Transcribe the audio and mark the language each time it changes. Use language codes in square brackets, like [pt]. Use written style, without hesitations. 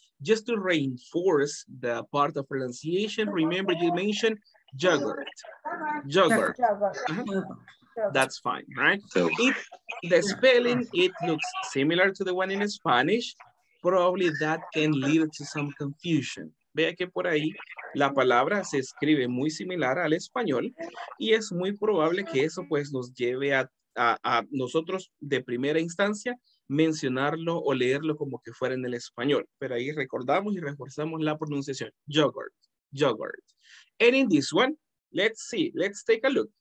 [en] Just to reinforce the part of pronunciation, remember you mentioned yogurt. Yogurt. That's fine, right? So. It, the spelling, it looks similar to the one in Spanish. Probably that can lead to some confusion. [es] Vea que por ahí la palabra se escribe muy similar al español y es muy probable que eso pues nos lleve a nosotros de primera instancia mencionarlo o leerlo como que fuera en el español. Pero ahí recordamos y reforzamos la pronunciación. Yogurt, yogurt. [en] And in this one, let's see, let's take a look.